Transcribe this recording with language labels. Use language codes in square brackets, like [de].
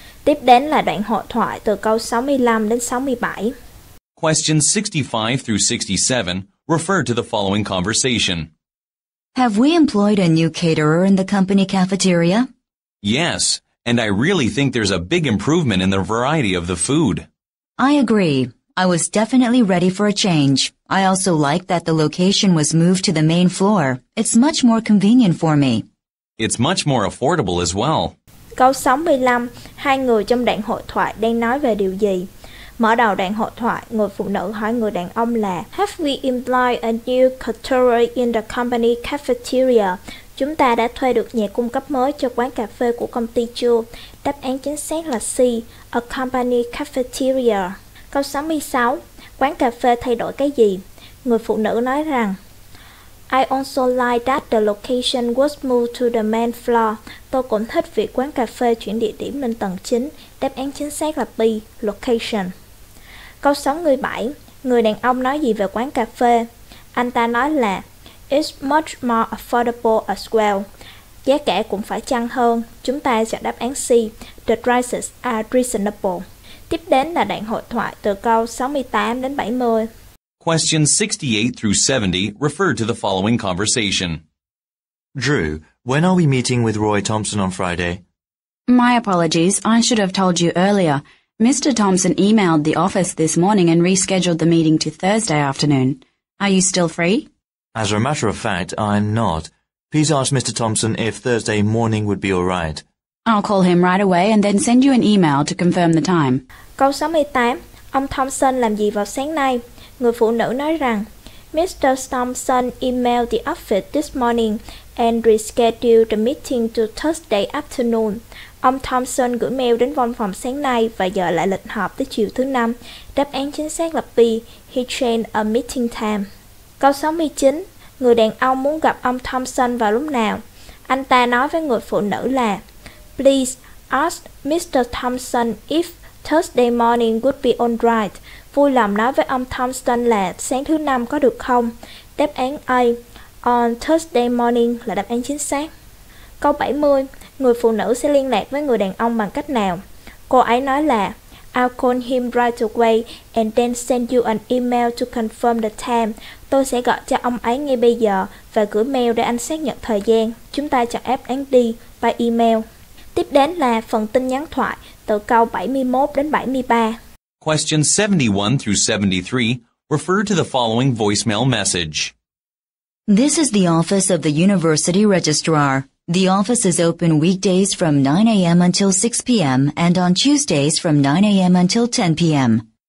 [vi] Tiếp đến là đoạn hội thoại từ câu 65 đến 67. [en] Questions 65 through 67 refer to the following conversation. Have we employed a new caterer in the company cafeteria? Yes, and I really think there's a big improvement in the variety of the food. I agree. I was definitely ready for a change. I also like that the location was moved to the main floor. It's much more convenient for me. It's much more affordable as well. [vi] Câu 65. Hai người trong đoạn hội thoại đang nói về điều gì? Mở đầu đoạn hội thoại, người phụ nữ hỏi người đàn ông là [en] Have we employed a new caterer in the company cafeteria? [vi] Chúng ta đã thuê được nhà cung cấp mới cho quán cà phê của công ty chưa? Đáp án chính xác là C, [en] a company cafeteria. [vi] Câu 66. Quán cà phê thay đổi cái gì? Người phụ nữ nói rằng [en] I also like that the location was moved to the main floor. [vi] Tôi cũng thích việc quán cà phê chuyển địa điểm lên tầng chính. Đáp án chính xác là B, location. Câu 67. Người đàn ông nói gì về quán cà phê? Anh ta nói là [en] It's much more affordable as well. [vi] Giá cả cũng phải chăng hơn. Chúng ta chọn đáp án C. [en] The prices are reasonable. [vi] Tiếp đến là đoạn hội thoại từ câu 68 đến 70. [en] Questions 68 through 70 refer to the following conversation. Drew, when are we meeting with Roy Thompson on Friday? My apologies. I should have told you earlier. Mr. Thompson emailed the office this morning and rescheduled the meeting to Thursday afternoon. Are you still free? As a matter of fact, I'm not. Please ask Mr. Thompson if Thursday morning would be all right. I'll call him right away and then send you an email to confirm the time. [vi] Câu 68. Ông Thompson làm gì vào sáng nay? Người phụ nữ nói rằng [en] Mr. Thompson emailed the office this morning and reschedule the meeting to Thursday afternoon. [vi] Ông Thompson gửi mail đến văn phòng sáng nay và dời lại lịch họp tới chiều thứ năm. Đáp án chính xác là B. [en] He changed a meeting time. [vi] Câu 69. Người đàn ông muốn gặp ông Thompson vào lúc nào? Anh ta nói với người phụ nữ là [en] Please ask Mr. Thompson if Thursday morning would be all right. [vi] Vui lòng nói với ông Thompson là sáng thứ năm có được không? Đáp án A. [en] On Thursday morning [vi] là đáp án chính xác. Câu 70. Người phụ nữ sẽ liên lạc với người đàn ông bằng cách nào? Cô ấy nói là [en] I'll call him right away and then send you an email to confirm the time. [vi] Tôi sẽ gọi cho ông ấy ngay bây giờ và gửi mail để anh xác nhận thời gian. Chúng ta chọn đáp án D [en] by email. [vi] Tiếp đến là phần tin nhắn thoại từ câu 71 đến 73. [en] Questions 71 through 73 refer to the following voicemail message. This is the office of the University Registrar. The office is open weekdays from 9 a.m. until 6 p.m. and on Tuesdays from 9 a.m. until 10 p.m.